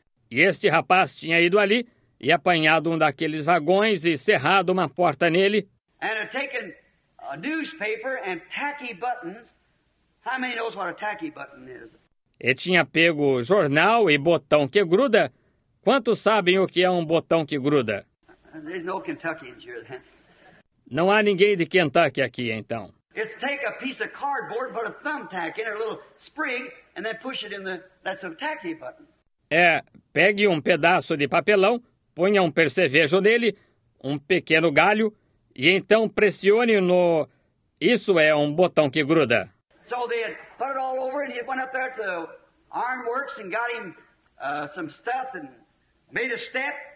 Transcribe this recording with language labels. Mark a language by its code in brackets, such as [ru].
[pt] E este rapaz tinha ido ali e apanhado um daqueles vagões e cerrado uma porta nele. [en] And taken a newspaper and tacky buttons. How many knows what a tacky button is? [pt] E tinha pego jornal e botão que gruda. Quantos sabem o que é um botão que gruda? [en] There's no Kentuckians here then. [pt] Não há ninguém de Kentucky aqui, então. [en] It's take a piece of cardboard, put a thumbtack in it, a little spring, and then push it in the, that's a tacky button. [pt] É, pegue um pedaço de papelão, ponha um percevejo nele, um pequeno galho, e então pressione no... Isso é um botão que gruda. [en] So they had put it all over, and he went up there to the ironworks and got him some stuff and made a step.